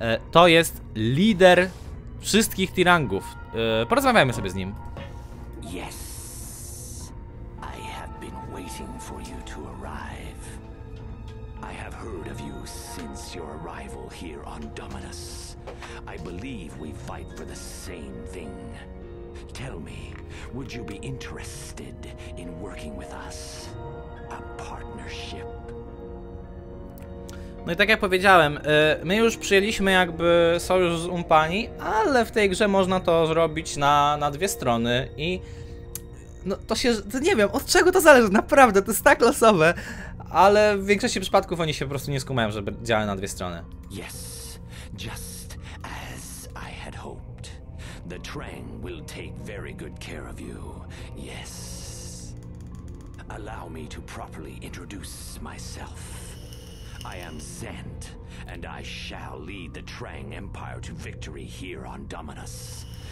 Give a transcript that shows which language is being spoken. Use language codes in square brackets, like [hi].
[pl] To jest lider wszystkich Tirangów. Porozmawiajmy sobie z nim. [en] Yes. I have been waiting for you to arrive. I have heard of you since your arrival here on Dominus. I believe we fight for the same thing. Tell me, would you be interested in working with us? A partnership. [pl] No i tak jak powiedziałem, my już przyjęliśmy jakby sojusz z Umpani, ale w tej grze można to zrobić na dwie strony i... No to się... To nie wiem, od czego to zależy, naprawdę, to jest tak losowe. ale w większości przypadków oni się po prostu nie skumają, żeby działać na dwie strony. [en] Yes, just as I had hoped. The Trang will take very good care of you. Yes. Allow me to properly introduce myself. I am Zant, and I shall lead the Trang Empire to victory here on Dominus.